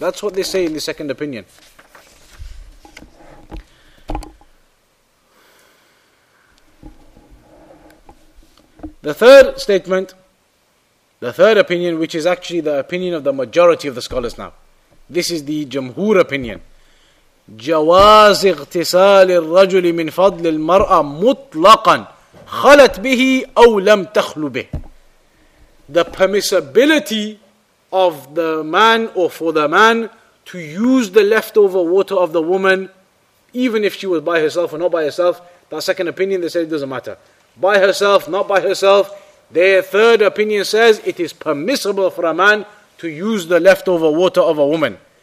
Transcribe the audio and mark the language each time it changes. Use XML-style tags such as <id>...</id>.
<en>That's what they say in the second opinion. The third statement, the third opinion, which is actually the opinion of the majority of the scholars now. This is the Jamhur opinion.</en> <ar>جواز اغتسال الرجل من فضل المرأة مطلقا خلت به أو لم تخلو به.</ar> <en>The permissibility of the man, or for the man, to use the leftover water of the woman, even if she was by herself or not by herself. That second opinion, they said it doesn't matter. By herself, not by herself. Their third opinion says it is permissible for a man to use the leftover water of a woman.</en>